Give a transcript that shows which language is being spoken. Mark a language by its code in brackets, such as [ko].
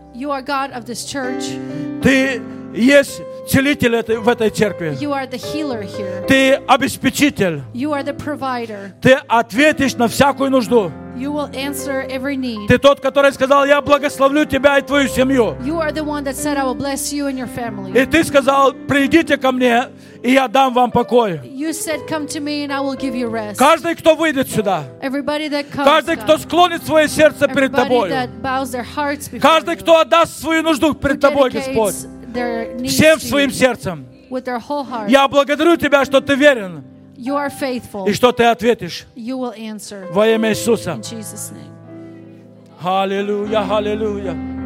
[en] You are God of this church. [ru] Ты есть целитель в этой церкви. [en] You are the healer here. [ru] Ты обеспечитель. [en] You are the provider. [ru] Ты ответишь на всякую нужду. [en] You will answer every need. [ru] Ты тот, который сказал, я благословлю тебя и твою семью. [en] You are the one that said, I will bless you and your family. [ru] И ты сказал, придите ко мне, и я дам вам покой. [en] You said, come to me and I will give you rest. [ru] Каждый, кто выйдет сюда. [en] Everybody that comes. [ru] Каждый, кто склонит свое сердце перед тобой. [en] Everybody that bows their hearts before you. [ru] Каждый, кто отдаст свою нужду перед тобой, Господь. Всем своим сердцем. Я благодарю Тебя, что Ты верен. И что Ты ответишь. Во имя Иисуса. Аллилуйя, аллилуйя.